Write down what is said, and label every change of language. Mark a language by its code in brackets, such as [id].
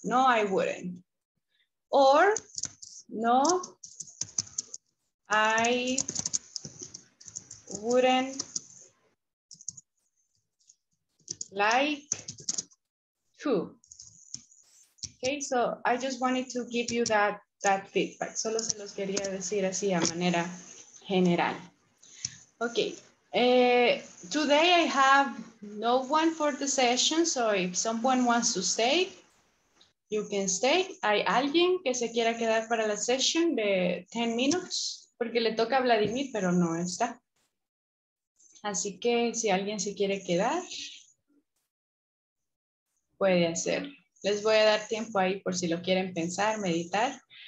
[en] No, I wouldn't. Or, no, I wouldn't like to. Okay, so I just wanted to give you that feedback. [es] Solo se los quería decir así a manera general. [en] Okay, today I have no one for the session, so if someone wants to stay, you can stay. [es] ¿Hay alguien que se quiera quedar para la session de [en] 10 minutes? [es] Porque le toca a Vladimir, pero no está. Así que si alguien se quiere quedar, puede hacer. Les voy a dar tiempo ahí por si lo quieren pensar, meditar.